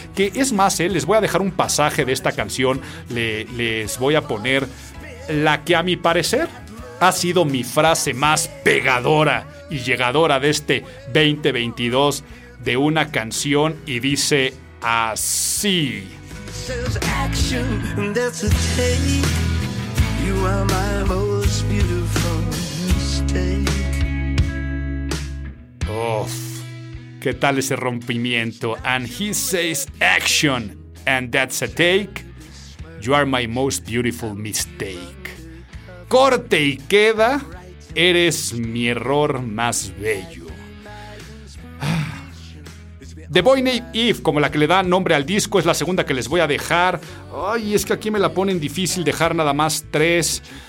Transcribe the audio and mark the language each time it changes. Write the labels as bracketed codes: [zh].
[es] Que es más, les voy a dejar un pasaje de esta canción. Les voy a poner la que a mi parecer ha sido mi frase más pegadora y llegadora de este 2022 de una canción. Y dice así. [en] There's action and there's a take. You are my most beautiful mistake. [es] Uf, ¿qué tal ese rompimiento? [en] And he says action, and that's a take. You are my most beautiful mistake. [es] Corte y queda, eres mi error más bello. The Boy Named Eve, como la que le da nombre al disco, es la segunda que les voy a dejar. Ay, es que aquí me la ponen difícil dejar nada más 3.